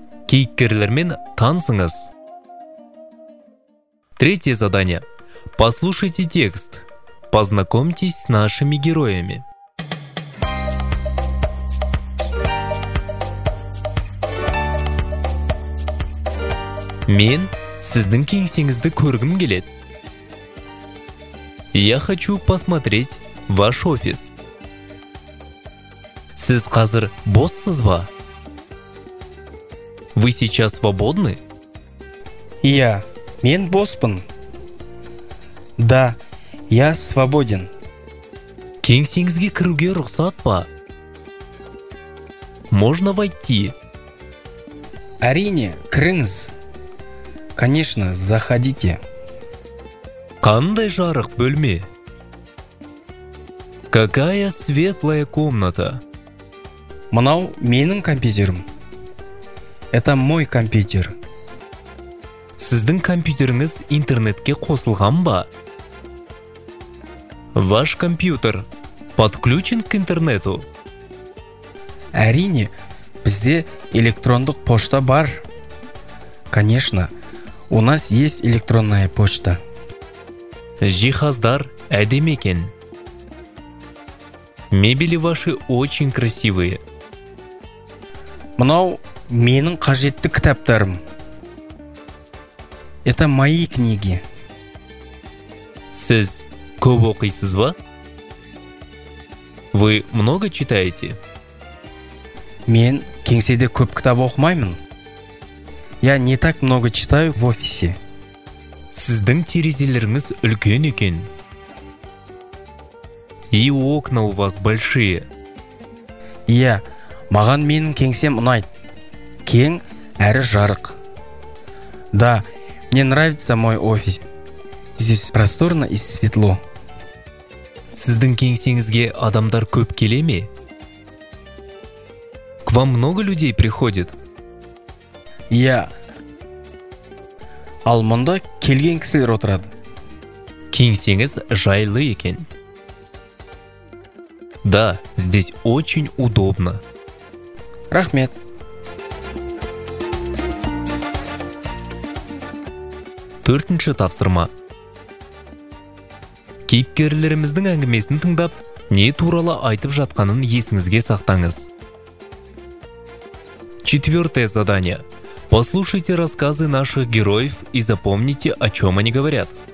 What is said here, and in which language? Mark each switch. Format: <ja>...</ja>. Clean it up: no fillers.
<kk>Кейіпкерлермен танысыңыз.</kk> <ru>Третье задание. Послушайте текст. Познакомьтесь с нашими героями.</ru> <kk>Мен, сіздің кеңсеңізді көргім келеді.</kk> <ru>Я хочу посмотреть ваш офис.</ru> <kk>Сіз қазір боссыз ба?</kk> <ru>Вы сейчас свободны? Я,</ru> <kk>мен боспын.</kk> <ru>Да, я свободен.</ru> <kk>Кеңсеңізге кіруге рұқсат ба?</kk> <ru>Можно войти?</ru> <kk>Әрине, кіріңіз.</kk> <ru>Конечно, заходите.</ru> <kk>Қандай жарық бөлме?</kk> <ru>Какая светлая комната?</ru> <kk>Мынау менің компьютерім.</kk> <ru>Это мой компьютер.</ru> <kk>Сіздің компьютеріңіз интернетке қосылған ба?</kk> <ru>Ваш компьютер подключен к интернету.</ru> <kk>Әрине, бізде электрондық пошта бар.</kk> <ru>Конечно, у нас есть электронная почта.</ru> <kk>Жихаздар әдемі екен.</kk> <ru>Мебели ваши очень красивые.</ru> <kk>Мынау менің қажетті кітаптарым.</kk> <ru>Это мои книги.</ru> <kk>Сіз көп оқисыз ба?</kk> <ru>Вы много читаете?</ru> <kk>Мен кеңседе көп кітап оқымаймын.</kk> <ru>Я не так много читаю в офисе.</ru> <kk>Сіздің терезелеріңіз үлкен екен.</kk> <ru>И окна у вас большие.</ru> <kk>Иә, маған менің кеңсем ұнайды. Кен, әрі жарық.</kk> <ru>Да, мне нравится мой офис. Здесь просторно и светло.</ru> <kk>Сіздің кеңсеңізге адамдар көп келе ме?</kk> <ru>К вам много людей приходит?</ru> <kk>Иә. Ал мұнда келген кісілер отырады. Кеңсеңіз жайлы екен.</kk> <ru>Да, здесь очень удобно.</ru> <kk>Рахмет. Төртінші тапсырма. Кейіпкерлеріміздің әңгімесін тыңдап, не туралы айтып жатқанын есіңізге сақтаңыз.</kk> <ru>Четвертое задание. Послушайте рассказы наших героев и запомните, о чем они говорят.</ru>